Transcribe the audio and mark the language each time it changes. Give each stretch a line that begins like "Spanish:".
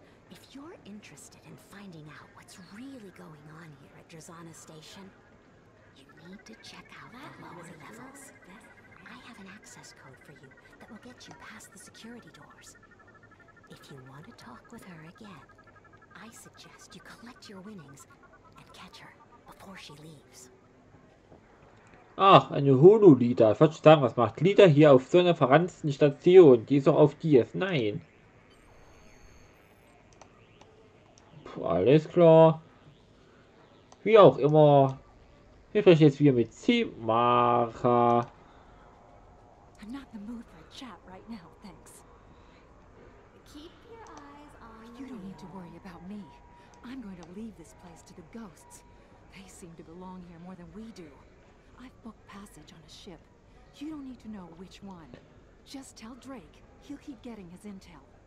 English: If you're interested in finding out what's really going on here at Drazana Station, you need to check out the lower levels. I have an access code for you that will get you past the security doors. If you want to talk with her again, I suggest you collect your winnings and catch her before she leaves.
German: Ach, eine Holo-Lida. Ich wollte sagen, was macht Lida hier auf so einer verranzten Station? Die ist doch auf Dias. Nein. Alles klar. Wie auch immer. Wir sprechen jetzt wieder mit Zimara.
English: I'm not in the mood for a chat right now, thanks. Keep your eyes on me. You don't need to worry about me. I'm going to leave this place to the ghosts. They seem to belong here more than we do. I've booked passage on a ship. You don't need to know which one. Just tell Drake. He'll keep getting his intel.